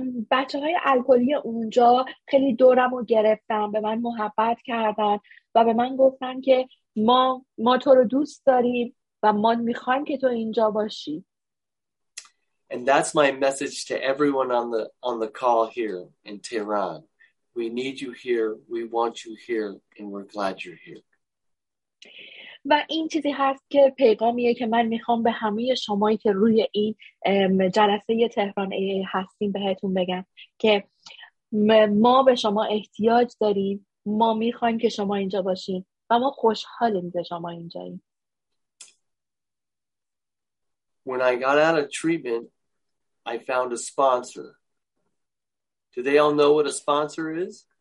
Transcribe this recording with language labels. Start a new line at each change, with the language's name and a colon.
Persian: بچه های الکلی اونجا خیلی دورم رو گرفتن به من محبت کردن و به من گفتن که ما تو رو دوست داریم و ما میخوایم که تو اینجا باشی.
English: And that's my message to everyone on the call here in Tehran. We need you here. We want you here, and we're glad you're here.
Persian: و این چیزی هست که پیغامیه که من میخوام به همه شمایی که روی این جلسه تهران ای هستیم بهتون بگم که ما به شما احتیاج داریم، ما میخوایم که شما اینجا باشین و ما خوشحالیم که شما اینجاییم.
English: When I got out of treatment, I found a sponsor. Do they all know what a sponsor is?